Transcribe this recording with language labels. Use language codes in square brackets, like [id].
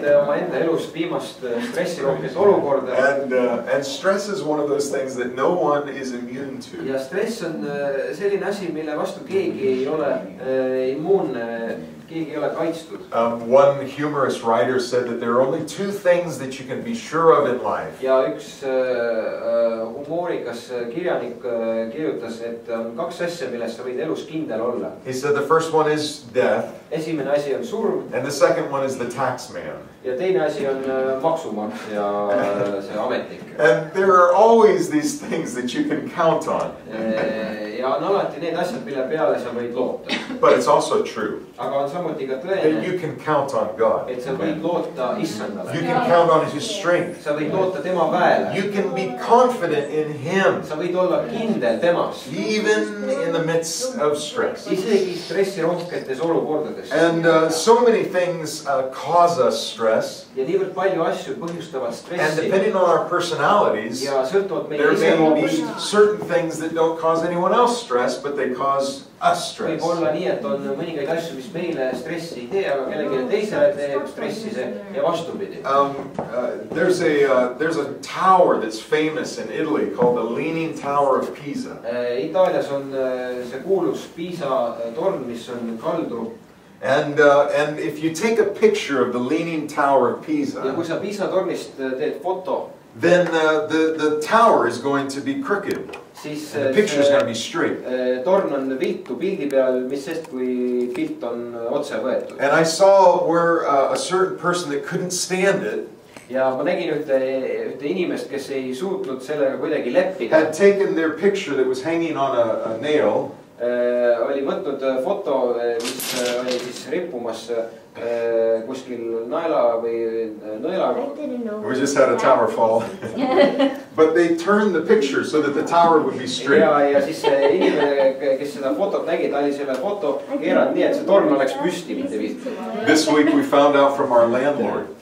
[et] Ja oma enda elus viimast stressi rohkeist olukorda. [en] And stress is one of those things that no one is immune to. [et] Ja stress on selline asi, mille vastu keegi ei ole immuunne, keegi ei ole kaitstud. [en] One humorous writer said that there are only two things that you can be sure of in life. [et] Ja üks humoorikas kirjanik kirjutas, et on kaks asja, milles sa võid elus kindel olla. [en] He said the first one is death. [et] Esimene asi on surm. [en] And the second one is the tax man. [et] Ja teine asi on maksumaksja ja see ametnik. [en] And there are always these things that you can count on. [et] Ja on alati need asjad, mille peale sa võid loota. [en] But it's also true. [et] Aga on samuti ka tõene. [en] That you can count on God. [et] Et sa võid loota Issandale. [en] You can count on His strength. [et] Sa võid loota tema väele. [en] You can be confident in Him. [et] Sa võid olla kindel temas. [en] Even in the midst of stress. [et] Isegi stressi rohketes olukordades. [en] And so many things cause us stress. [et] Ja niivõrd palju asju põhjustavad stressi. [en] And depending on our personalities, there may be certain things that don't cause anyone else stress, but they cause us stress. [et] Võib olla nii, et on mõningaid asju, mis meile stressi ei tee, aga kellegi teise teeb stressi ja vastupidi. [en] There's a tower that's famous in Italy called the Leaning Tower of Pisa. [et] Itaalias on see kuulus Pisa torn, mis on kaldu. [en] And if you take a picture of the Leaning Tower of Pisa, [et] ja kui sa Pisa tornist teed foto, [en] then the tower is going to be crooked. [et] Siis [en] the picture is going to be straight. [et] Torn on viltu pildi peal, mis sest kui pilt on otse võetud. [en] And I saw where a certain person that couldn't stand it. [et] Ja ma nägin ühte inimest, kes ei suutnud sellega kuidagi leppida. [en] Had taken their picture that was hanging on a nail. [et] Oli võtnud foto, mis oli siis rippumas kuskil naela või nõelaga. [en] We just had a tower fall. But they turned the picture so that the tower would be straight. [et] Ja siis see inimene, kes seda fotot nägi, ta oli selle foto keerad nii, et see torn oleks püsti mitte viis. [en] This week we found out from our landlord.